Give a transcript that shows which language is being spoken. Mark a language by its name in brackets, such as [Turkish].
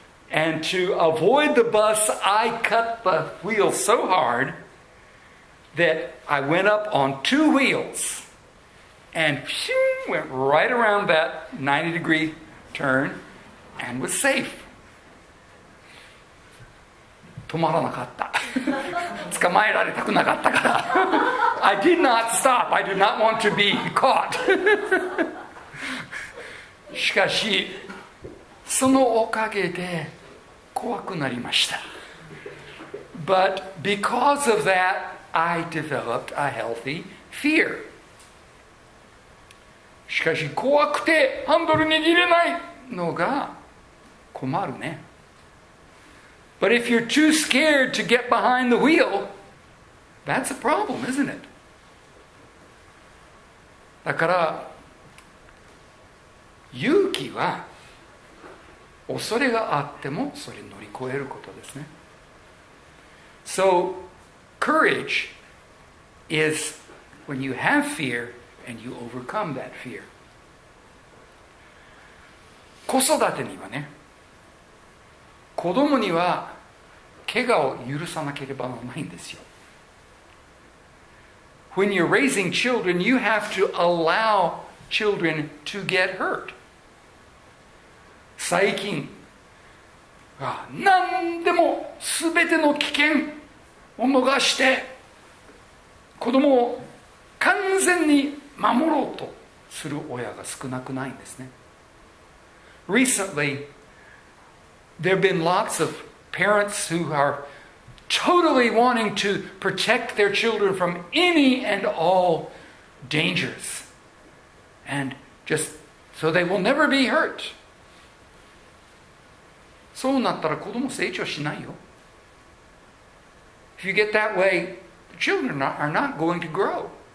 [English] And to avoid the bus, I cut the wheel so hard. That I went up on two wheels and phew, went right around that 90 degree turn and was safe. [Japanese] 止まらなかった。捕まえられたくなかったから。 [English] I did not stop. I did not want to be caught. [Japanese] しかし、そのおかげで怖くなりました。 [English] But because of that,I developed a healthy fear. [Japanese] しかし怖くてハンドル握れないのが困るね。 [English] But if you're too scared to get behind the wheel, that's a problem, isn't it? [Japanese] だから勇気は恐れがあってもそれ乗り越えることですね。 [English] So, courageis when you have fear and you overcome that fear. [Japanese] 子育てにはね、子供には怪我を許さなければならないんですよ。 [English] When you're raising children, you have to allow children to get hurt. [Japanese] 最近、何でも全ての危険を逃して子供を完全に守ろうとする親が少なくないんですね。 [English] Recently, there have been lots of parents who are totally wanting to protect their children from any and all dangers. And just so they will never be hurt. [Japanese] そうなったら子供成長しないよ。 [English] If you get that way, the children are not going to grow.